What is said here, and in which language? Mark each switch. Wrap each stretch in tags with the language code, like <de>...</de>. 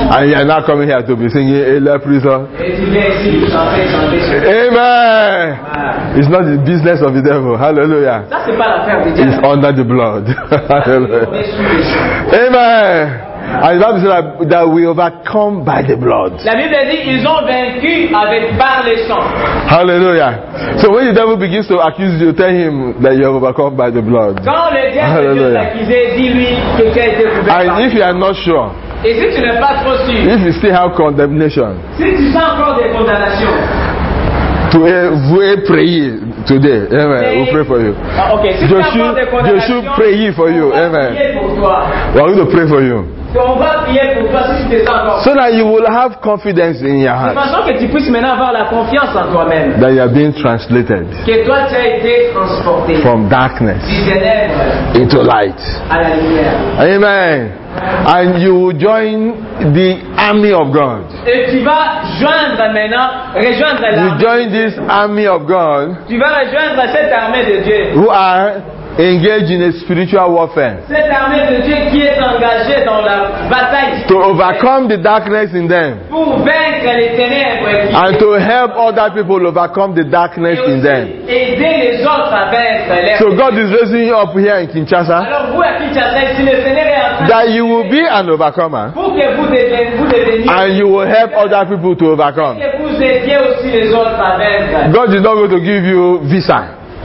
<en>And you are now coming here to be singing a prison. Amen. It's not the business of the devil. Hallelujah.</en> <fr>Ça, c'est pas l'affaire du diable.</fr> <en>It's under the blood. Hallelujah. Amen. And the Bible says that we overcome by the blood.</en> <fr>La Bible dit ils ont vaincu avec par le sang.</fr> <en>Hallelujah. So when the devil begins to accuse you, tell him that you have overcome by the blood.</en> <fr>Quand le diable t'accuse, dis-lui que tu as été couvert.</fr> <en>And if you are not sure,</en> <fr>Et si tu n'es pas trop sûr,</fr> <en>if you still have condemnation,</en> <fr>si tu sens encore des condamnations, tu veux prier</fr> <en>today. Amen. Okay. We'll pray for you. Okay. Si</en> <fr>Je suis</fr> <en>pray for you. Amen. We're going to pray for you.</en> <fr>On va prier pour toi si tu te sens encore.</fr> <en>So that you will have confidence in your heart.</en> <fr>De façon que tu puisses maintenant avoir la confiance en toi-même.</fr> <en>That you are being translated.</en> <fr>Que toi tu as été transporté.</fr> <en>From darkness.</en> <fr>Du ténèbres.</fr> <en>Into light.</en> <fr>À la lumière.</fr> <en>Amen. And you will join the army of God.</en> <fr>Et tu vas joindre maintenant, rejoindre l'armée.</fr> <en>You join this army of God.</en> <fr>Tu vas rejoindre cette armée de Dieu.</fr> <en>Who are engaged in a spiritual warfare.</en> <fr>Cette armée de Dieu qui est engagée dans la bataille.</fr> <en>To overcome the darkness in them.</en> <fr>Pour vaincre les ténèbres.</fr> <en>And to help other people overcome the darkness in them.</en> <fr>Aider les autres à vaincre les.</fr> <en>So God is raising you up here in Kinshasa.</en> <fr>Alors vous à Kinshasa, si le Seigneur est en train.</fr> <en>That you will be an overcomer.</en> <fr>Pour que vous deveniez.</fr> <en>And you will help other people to overcome.</en> <fr>Et vous aidiez aussi les autres à vaincre.</fr> <en>God is not going to give you visa.</en>